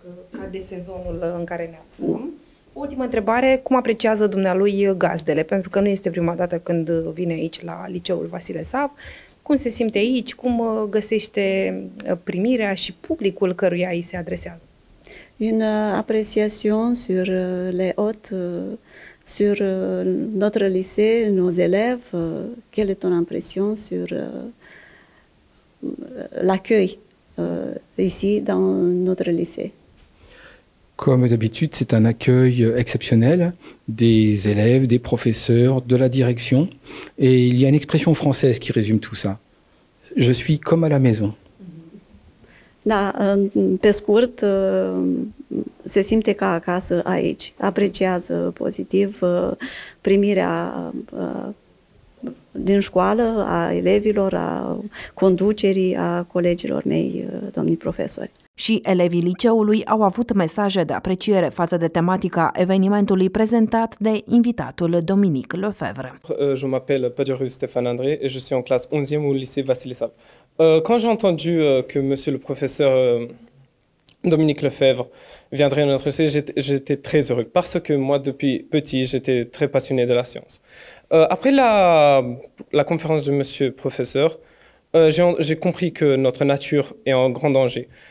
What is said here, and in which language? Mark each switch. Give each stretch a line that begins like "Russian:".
Romanian: Ca de sezonul în care ne aflăm. Ultima întrebare, cum apreciază dumnealui gazdele? Pentru că nu este prima dată când vine aici la Liceul Vasile Sav. Cum se simte aici? Cum găsește primirea și publicul căruia îi se adresează?
French: Une appréciation sur les hôtes, sur notre lycée, nos élèves, quelle est ton impression sur l'accueil ici dans notre lycée? Comme d'habitude, c'est un accueil exceptionnel des élèves, des professeurs, de la direction. Et il y a une expression française qui résume tout ça. Je suis comme à la maison.
Romanian: Da, pe scurt, se simte ca acasă aici. Apreciază pozitiv primirea din școală, a elevilor, a conducerii, a colegilor mei, domnii profesori. Și elevii liceului au avut mesaje de apreciere față de tematica evenimentului prezentat de invitatul Dominique Lefebvre.
French: Je m'appelle Padurius Stéphane André et je suis en classe 11e au lycée Vassili Sab. Quand j'ai entendu que monsieur le professeur Dominique Lefebvre viendrait à notre lycée, j'étais très heureux parce que moi depuis petit, j'étais très passionné de la science. Après la conférence de monsieur professeur, j'ai compris que notre nature est en grand danger.